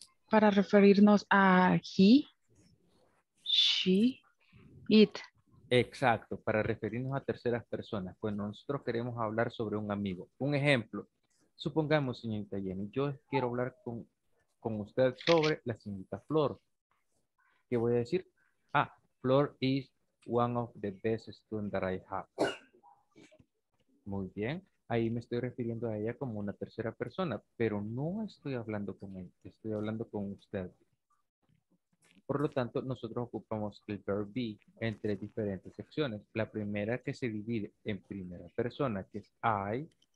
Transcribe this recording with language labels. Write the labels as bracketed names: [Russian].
[Spanish] Para referirnos a [English] he, she, it. [Spanish] Exacto, para referirnos a terceras personas. Pues nosotros queremos hablar sobre un amigo. Un ejemplo. Supongamos, señorita Jenny, yo quiero hablar con usted sobre la señorita Flor. ¿Qué voy a decir? [English] Ah, Flor is one of the best students that I have. [Spanish] Muy bien, ahí me estoy refiriendo a ella como una tercera persona, pero no estoy hablando con él, estoy hablando con usted. Por lo tanto, nosotros ocupamos el verb be en tres diferentes secciones. La primera que se divide en primera persona, que es I.